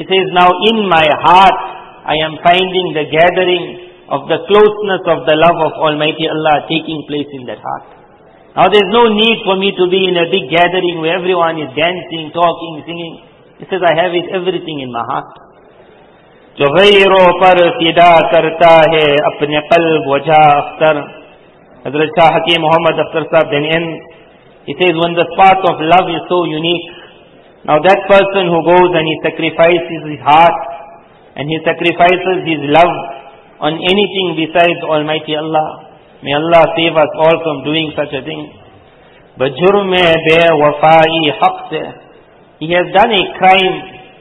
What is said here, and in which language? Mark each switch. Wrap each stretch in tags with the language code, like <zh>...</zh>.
<en>He says, now in my heart, I am finding the gathering of the closeness of the love of Almighty Allah taking place in that heart. Now there's no need for me to be in a big gathering where everyone is dancing, talking, singing. He says, I have it, everything in my heart.</en> <ur>جو غیروں پر فدا کرتا ہے اپنے قلب و جاہ اختر. حضرت شاہ حکیم محمد اختر صاحب</ur> <en>then end. He says, when the spark of love is so unique, now that person who goes and he sacrifices his heart and he sacrifices his love on anything besides Almighty Allah, may Allah save us all from doing such a thing. But</en> <ur>جرم بے وفائی حق سے,</ur> <en>he has done a crime.</en>